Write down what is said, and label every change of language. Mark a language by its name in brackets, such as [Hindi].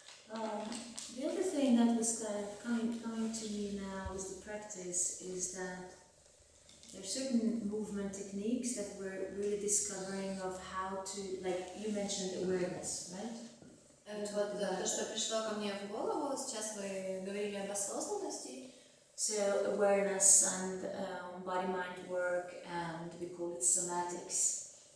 [English] The other thing that was kind of coming to me now is the practice is that there are certain movement techniques that we're really discovering of how to, like you mentioned awareness, right? And [Russian] вот то, что пришло ко мне в голову, сейчас вы говорили об осознанности. [English] So awareness and body-mind work, and we call it somatics.